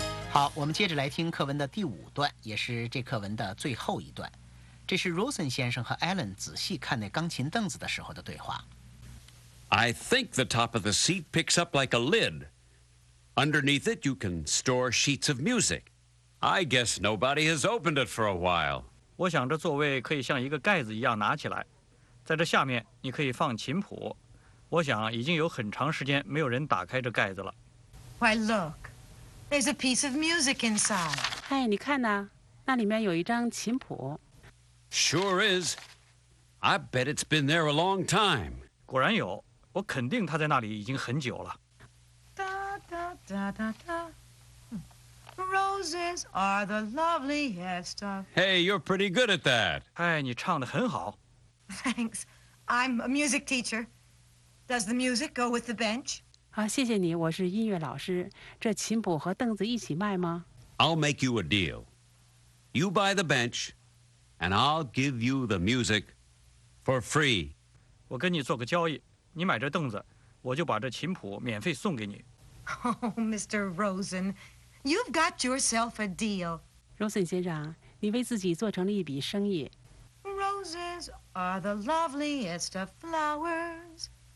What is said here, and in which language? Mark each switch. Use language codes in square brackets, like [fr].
[zh] 好，我们接着来听课文的第五段，也是这课文的最后一段。这是 Rosen 先生和 Alan 仔细看那钢琴凳子的时候的对话。 [en] I think the top of the seat picks up like a lid. Underneath it, you can store sheets of music. I guess nobody has opened it for a while. [zh] 我想这座位可以像一个盖子一样拿起来，在这下面你可以放琴谱。我想已经有很长时间没有人打开这盖子了。 [en] Why look? There's a piece of music inside. [zh] 哎，你看呐，那里面有一张琴谱。 [en] Sure is. I bet it's been there a long time. [zh] 果然有，我肯定他在那里已经很久了。 [en] 哒哒哒哒哒 ，Roses are the loveliest of. Hey, you're pretty good at that. [zh] 哎，你唱得很好。 [en] Thanks, I'm a music teacher. Does the music go with the bench? [zh] 好，谢谢你，我是音乐老师。这琴谱和凳子一起卖吗 [en] ？I'll make you a deal. You buy the bench, and I'll give you the music for free. [zh] 我跟你做个交易，你买这凳子，我就把这琴谱免费送给你。 [en] Oh, Mr. Rosen, you've got yourself a deal. [zh] Rosen 先生，你为自己做成了一笔生意。 [en] Roses are the loveliest of flowers.